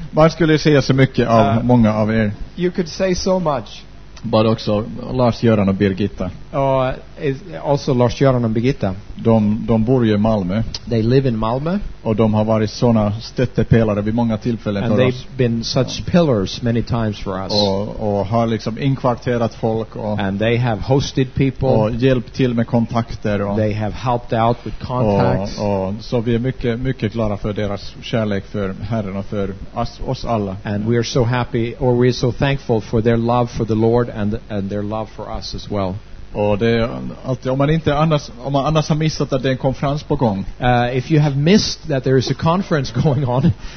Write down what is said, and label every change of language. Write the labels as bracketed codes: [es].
[sv] Man skulle säga så mycket av många av er. [en] You could say so much. [sv] But också Lars-Göran och Birgitta. [en] Also Lars-Göran och Birgitta. [sv] De bor ju i Malmö. [en] They live in Malmö. [sv] Och de har varit såna stöttepelare vid många tillfällen för oss. [en] And they've been such pillars many times for us. [sv] Och har liksom inkvarterat folk. [en] And they have hosted people. [sv] Och hjälpt till med kontakter. [en] They have helped out with contacts. [sv] Och så vi är mycket mycket glada för deras kärlek för Herren och för oss alla. [en] And we are so happy, or we are so thankful for their love for the Lord. And their love for us as well. [sv] Och det är alltid, om man annars har missat att det är en konferens på gång. [en] If you have missed that there is a conference going on,